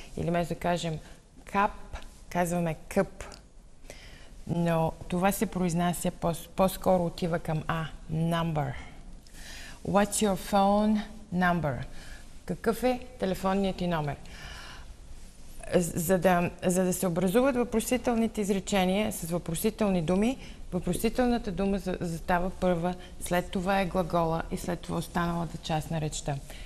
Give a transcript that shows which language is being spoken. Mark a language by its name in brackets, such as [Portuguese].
[Bulgarian] Или вместо да кажем cup, казваме къп. Но това се произнася по-скоро отива към А. [English] Number. What's your phone number? [Bulgarian] Какъв е телефонният ти номер? За да се образуват въпросителните изречения с въпросителни думи, въпросителната дума застава първа, след това е глагола и след това останалата част на речта.